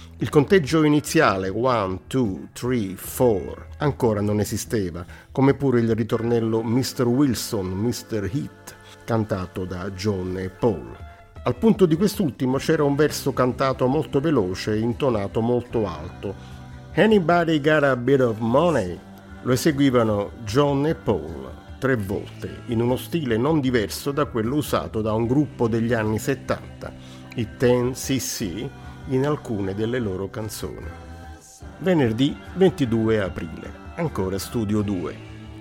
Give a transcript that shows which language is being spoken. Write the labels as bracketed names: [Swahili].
[Italian] Il conteggio iniziale 1, 2, 3, 4 ancora non esisteva, come pure il ritornello Mr. Wilson, Mr. Heat, cantato da John e Paul. Al punto di quest'ultimo c'era un verso cantato molto veloce e intonato molto alto. [English] Anybody got a bit of money? [Italian] Lo eseguivano John e Paul tre volte, in uno stile non diverso da quello usato da un gruppo degli anni 70, i 10CC, in alcune delle loro canzoni. Venerdì 22 aprile, ancora studio 2.